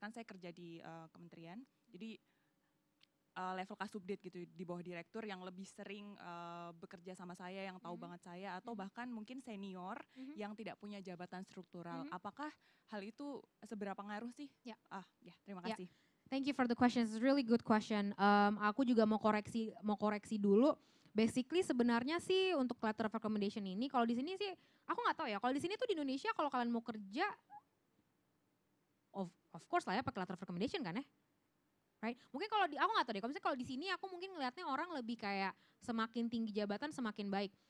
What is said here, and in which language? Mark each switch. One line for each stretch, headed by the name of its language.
Indonesian: Kan saya kerja di kementerian, jadi level kasubdit gitu, di bawah direktur yang lebih sering bekerja sama saya, yang tahu banget saya, atau bahkan mungkin senior yang tidak punya jabatan struktural. Apakah hal itu seberapa ngaruh sih? Terima kasih.
English: Thank you for the question, it's a really good question.
Indonesian: Aku juga mau koreksi dulu. Basically sebenarnya sih untuk letter of recommendation ini, kalau di sini sih, aku nggak tahu ya, kalau di sini tuh di Indonesia kalau kalian mau kerja, of course lah ya pakai letter of recommendation kan ya?
English: Right.
Indonesian: Mungkin kalau di aku enggak tahu deh. Kalau di sini aku mungkin ngelihatnya orang lebih kayak semakin tinggi jabatan semakin baik.